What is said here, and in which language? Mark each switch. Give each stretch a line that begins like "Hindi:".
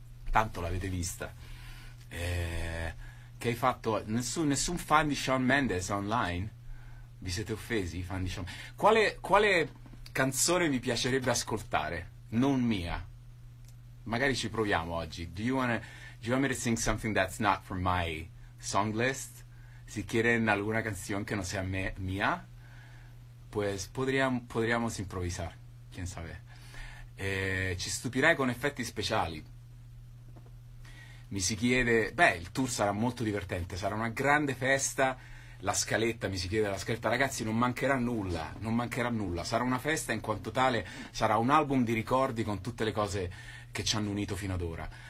Italian: Tanto l'avete vista. Che hai fatto? Nessun fan di Shawn Mendes online? Vi siete offesi, fan di Shawn? Quale canzone vi piacerebbe ascoltare? Non mia. Magari ci proviamo oggi.
English: Do you want me to sing something that's not from my song list?
Spanish: Si quieren alguna canción que no sea mía? Pues podríamos improvisar. Quién sabe.
Italian: Ci stupirai con effetti speciali. Mi si chiede, il tour sarà molto divertente, sarà una grande festa, la scaletta, ragazzi, non mancherà nulla, sarà una festa in quanto tale, sarà un album di ricordi con tutte le cose che ci hanno unito fino ad ora.